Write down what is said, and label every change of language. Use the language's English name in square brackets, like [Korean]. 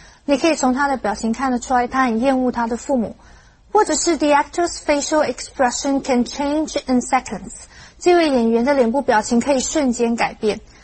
[Chinese] 你可以从她的表情看得出来她很厌恶她的父母。或者是 [English] the actor's facial expression can change in seconds. [Chinese] 这位演员的脸部表情可以瞬间改变。